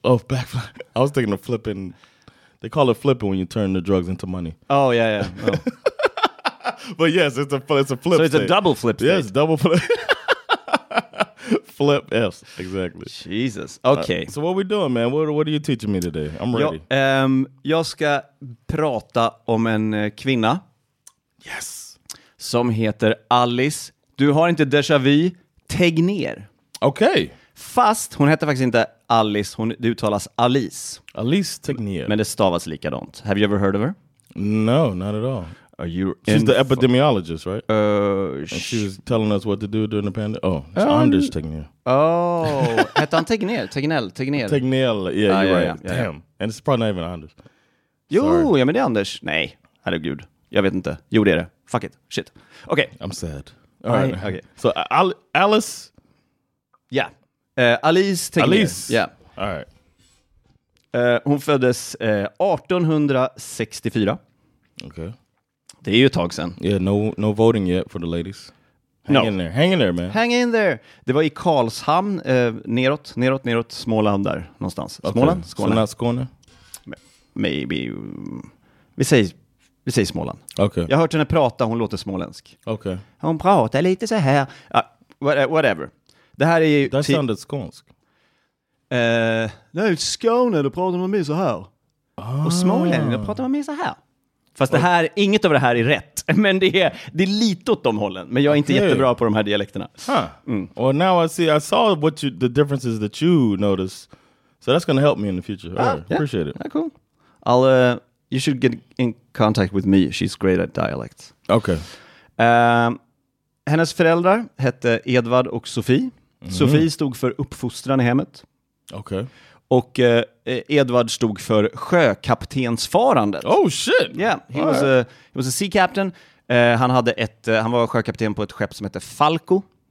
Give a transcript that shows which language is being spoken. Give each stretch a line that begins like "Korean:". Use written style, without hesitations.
English: Oh, back flip. I was thinking of flipping They call it flipping when you turn the drugs into money. Oh, yeah, yeah. Oh. But yes, it's a flip. So it's state. A double flip state. Yes, double flip. Flip F's, exactly. Jesus, okay. So what are we doing, man? What are you teaching me today? I'm ready.
Swedish: Jag ska prata om en kvinna.
English: Yes.
Swedish: Som heter Alice. Du har inte déjà vu. Tegner. Okej.
English: Okay.
Swedish: Fast hon heter faktiskt inte Alice. Hon uttalas Alice. Alice Tegner. Men det stavas likadant.
English: Have you ever heard of her? No, not at all. Are you she's the epidemiologist, right? And she was telling us what to do during the pandemic. Oh, it's Anders Tegner. Oh, hette han Tegner? Tegnell. Tegnell, yeah, you're right. Yeah. Damn. And it's probably not even Anders.
Swedish: Jo, sorry. Ja men det är Anders. Nej, herregud. Jag vet inte. Jo, det är det.
English: Fuck it.
Swedish: Shit. Okay.
English: I'm sad. All right. Okay. So, Alice? Yeah. Alice Tegner. Alice? Yeah. All right.
Swedish: Hon föddes 1864.
English: Okay.
Swedish: Det är ju ett tag sedan.
English: Yeah, no voting yet for the ladies. Hang in there, man. Hang in there.
Swedish: Det var i Karlshamn, neråt, Småland där någonstans.
English: Okay. Småland? Skåne. So not Skåne?
Swedish: Maybe. Vi säger Småland.
English: Okay.
Swedish: Jag har hört henne prata, hon låter småländsk.
English: Okay.
Swedish: Hon pratar lite så här. Whatever. Det här är ju...
English: That sounded skånsk.
Swedish: Nej, Skåne, då pratar man med så här. Och Småland, då pratar man med så här. Fast det här, inget av det här är rätt. Men det är lite åt de hållen. Men jag är inte jättebra på de här dialekterna.
English: Huh. Well, now I saw what you, the differences that you notice. So that's going to help me in the future. Appreciate it. Yeah, cool. You should get in contact with me. She's great at dialects. Okay.
Swedish: Hennes föräldrar hette Edvard och Sofie. Mm-hmm. Sofie stod för uppfostran i hemmet.
English: Okay.
Swedish: Och Edvard stod för sjökaptensfarandet.
English: Oh shit. Yeah, he was a sea captain.
Swedish: Han var sjökapten på ett skepp som hette Falco.